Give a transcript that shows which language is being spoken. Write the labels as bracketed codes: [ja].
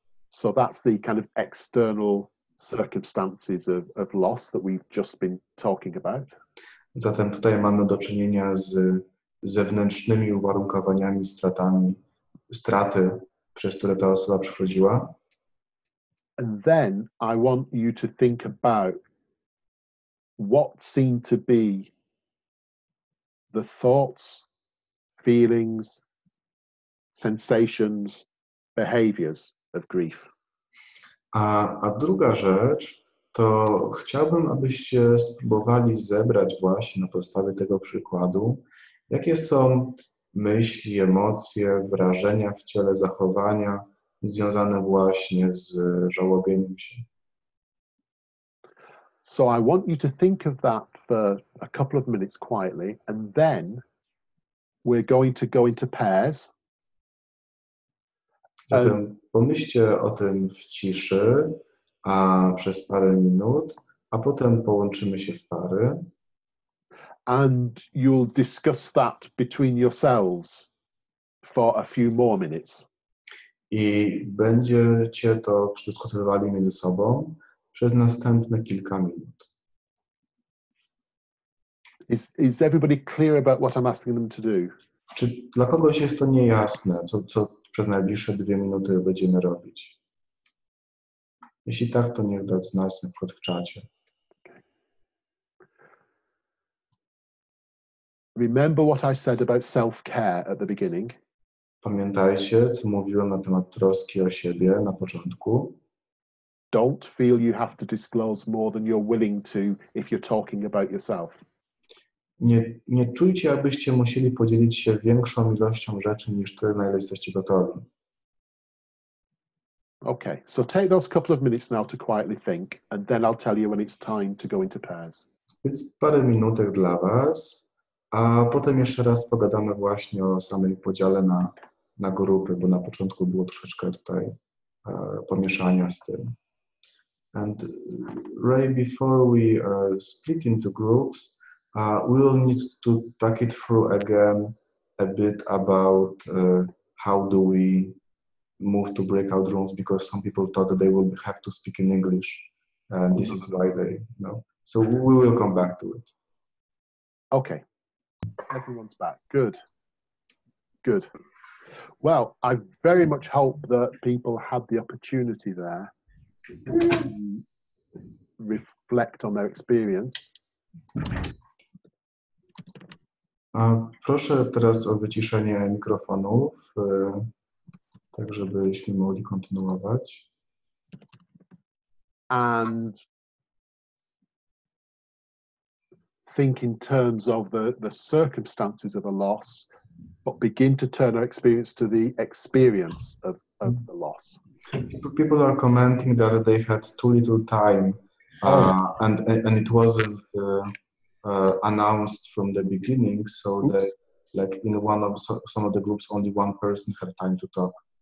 [en] So that's the kind of external circumstances of loss that we've just been talking about. [pl] Zatem tutaj mamy do czynienia z zewnętrznymi uwarunkowaniami, straty, przez które ta osoba przechodziła. [en] And then I want you to think about what seemed to be the thoughts, feelings, sensations, behaviors of grief. [pl] A druga rzecz, to chciałbym, abyście spróbowali zebrać właśnie na podstawie tego przykładu, jakie są myśli, emocje, wrażenia w ciele, zachowania związane właśnie z żałobieniem się. [en] So I want you to think of that for a couple of minutes quietly, and then we're going to go into pairs. [pl] Zatem pomyślcie o tym w ciszy, a przez parę minut, a potem połączymy się w pary. [en] And you'll discuss that between yourselves for a few more minutes. [pl] I będziecie to przedyskutowali między sobą przez następne kilka minut. [en] Is everybody clear about what I'm asking them to do? [pl] Czy dla kogoś jest to niejasne, co przez najbliższe 2 minuty będziemy robić? Jeśli tak, to niech dać znać na przykład w czacie. [en] Remember what I said about self-care at the beginning. [pl] Pamiętajcie, co mówiłem na temat troski o siebie na początku. [en] Don't feel you have to disclose more than you're willing to if you're talking about yourself. [pl] Nie czujcie, abyście musieli podzielić się większą ilością rzeczy niż tyle, na ile jesteście gotowi. [en] Okay, so take those couple of minutes now to quietly think, and then I'll tell you when it's time to go into pairs. [pl] Więc parę minutek dla was. A potem jeszcze raz pogadamy właśnie o samym podziale na grupy, bo na początku było troszeczkę tutaj pomieszania z tym. [en] And Ray, before we split into groups, we will need to talk it through again a bit about how do we move to breakout rooms, because some people thought that they will have to speak in English, and this is why they, you know. So we will come back to it. Okay. Everyone's back. Good. Well, I very much hope that people had the opportunity there to reflect on their experience. [pl] Proszę teraz o wyciszenie mikrofonów, tak żebyśmy mogli kontynuować. [en] And think in terms of the circumstances of a loss, but begin to turn our experience to the experience of the loss. People are commenting that they had too little time, and it wasn't announced from the beginning, so that, like in one of some of the groups, only one person had time to talk.